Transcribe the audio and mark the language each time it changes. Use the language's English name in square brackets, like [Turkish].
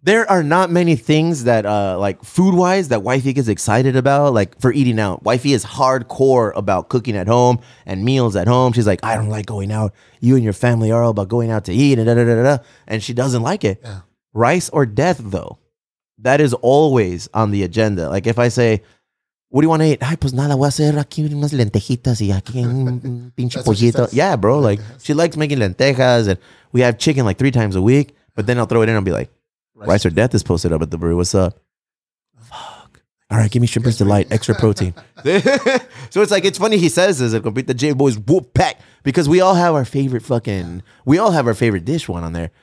[English] There are not many things that, like food-wise, that wifey gets excited about, like for eating out. Wifey is hardcore about cooking at home and meals at home. She's like, I don't like going out. You and your family are all about going out to eat and da da da da. And she doesn't like it. Yeah. Rice or death, though, that is always on the agenda. Like if I say, what do you want to eat? [Spanish] Ay, pues nada, voy a hacer aquí unas lentejitas y aquí un pinche pollito. [English] Yeah, bro. Like, she likes making lentejas, and we have chicken like 3 times a week. But then I'll throw it in and be like, rice or death is posted up at the brewery. What's up? Fuck. All right, give me Shrimper's Delight, extra protein. So it's like, it's funny he says this, it's like, the J Boys whoop pack, because we all have our favorite fucking, we all have our favorite dish one on there.